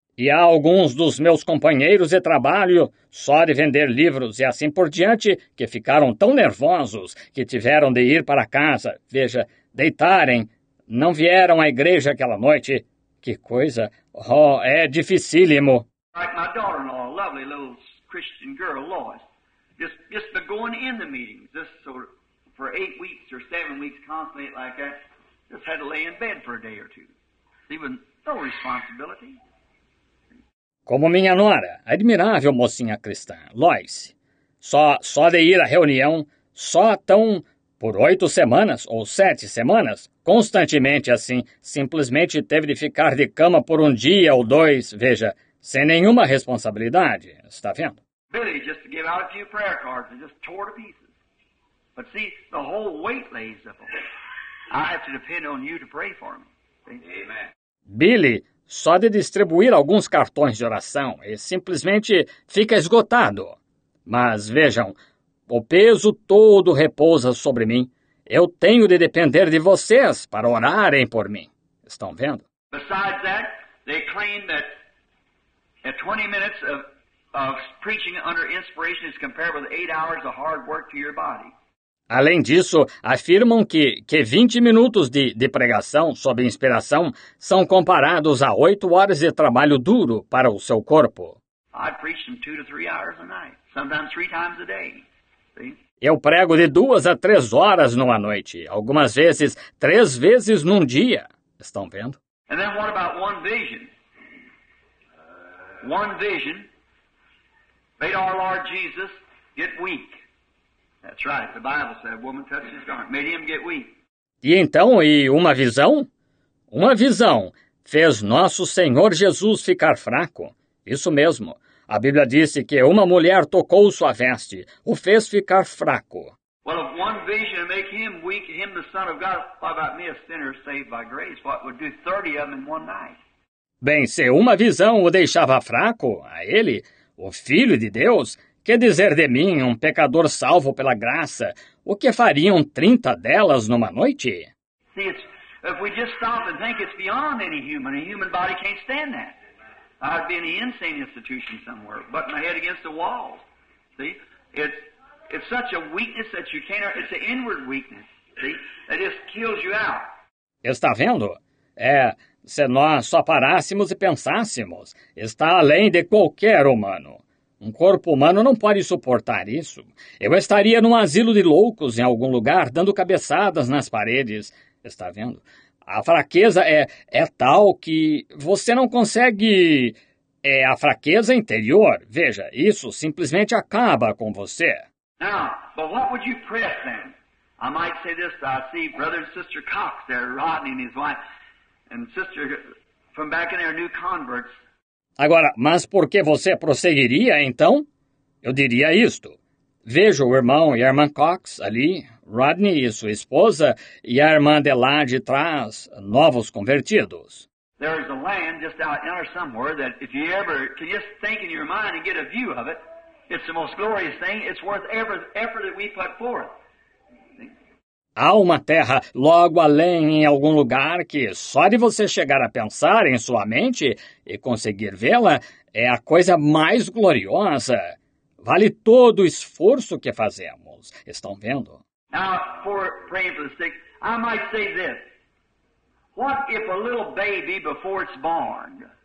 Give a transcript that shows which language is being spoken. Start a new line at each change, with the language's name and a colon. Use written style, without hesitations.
Portuguese: E há alguns dos meus companheiros de trabalho, só de vender livros e assim por diante, que ficaram tão nervosos que tiveram de ir para casa, veja, deitarem. Não vieram à igreja aquela noite. Que coisa! Oh, é dificílimo.
English: Like my daughter-in-law, lovely little Christian girl, Lois, just been going in the meetings, just sort of for 8 weeks or 7 weeks, constantly like that, just had to lay in bed for a day or two. Even no responsibility.
Portuguese: Como minha nora, admirável mocinha cristã, Lois, só de ir à reunião, só tão por 8 semanas ou 7 semanas, constantemente assim, simplesmente teve de ficar de cama por um dia ou dois, veja, sem nenhuma responsabilidade, está vendo?
English: Billy, just to give out a few prayer cards and just tore to pieces. But see, the whole weight lays up on me. I have to depend on you to pray for me. Amen.
Portuguese: Billy, só de distribuir alguns cartões de oração e simplesmente fica esgotado. Mas vejam, o peso todo repousa sobre mim. Eu tenho de depender de vocês para orarem por mim. Estão vendo?
English: Besides that, they claim that 20 minutes of preaching under inspiration is compared with 8 hours of hard work to your body.
Portuguese: Além disso, afirmam que 20 minutos de pregação sob inspiração são comparados a 8 horas de trabalho duro para o seu corpo.
English: I've preached from 2 to 3 hours a night, sometimes 3 times a day. See?
Portuguese: Eu prego de 2 a 3 horas numa noite, algumas vezes 3 vezes num dia. Estão vendo?
English: And then what about one vision? One vision made our Lord Jesus get weak. That's right, the Bible said, woman touched his garment, made him get weak.
Portuguese: E então, e uma visão? Uma visão fez nosso Senhor Jesus ficar fraco. Isso mesmo. A Bíblia disse que uma mulher tocou sua veste, o fez ficar fraco.
English: Well, if one vision make him weak, him the Son of God, what about me, a sinner saved by grace? What would do 30 of them in one night?
Portuguese: Bem, se uma visão o deixava fraco, a ele, o Filho de Deus, que dizer de mim, um pecador salvo pela graça, o que fariam 30 delas numa noite?
English: See, if we just stop and think it's beyond any human, a human body can't stand that. I'd be in an insane institution somewhere, butting my head against the walls. See, it's such a weakness that you can't, it's an inward weakness, see, that just kills you out.
Portuguese: Está vendo? É... Se nós só parássemos e pensássemos, está além de qualquer humano. Um corpo humano não pode suportar isso. Eu estaria num asilo de loucos em algum lugar, dando cabeçadas nas paredes. Está vendo? A fraqueza é tal que você não consegue... É a fraqueza interior. Veja, isso simplesmente acaba com você.
English: Now, but what would you press then? I might say this, I see brother and sister Cox there, Rodney and his wife... And sister, from back in their new converts.
Portuguese: Agora, mas por que você prosseguiria, então? Eu diria isto. Vejo o irmão e a irmã Cox ali, Rodney e sua esposa, e a irmã de lá de trás, novos convertidos.
English: There is a land just out there somewhere that if you ever can just think in your mind and get a view of it, it's the most glorious thing. It's worth every effort that we put forth.
Portuguese: Há uma terra logo além em algum lugar que só de você chegar a pensar em sua mente e conseguir vê-la é a coisa mais gloriosa. Vale todo o esforço que fazemos. Estão vendo?
English: Now, for praying for the sick, I might say this. What if a little baby before it's born?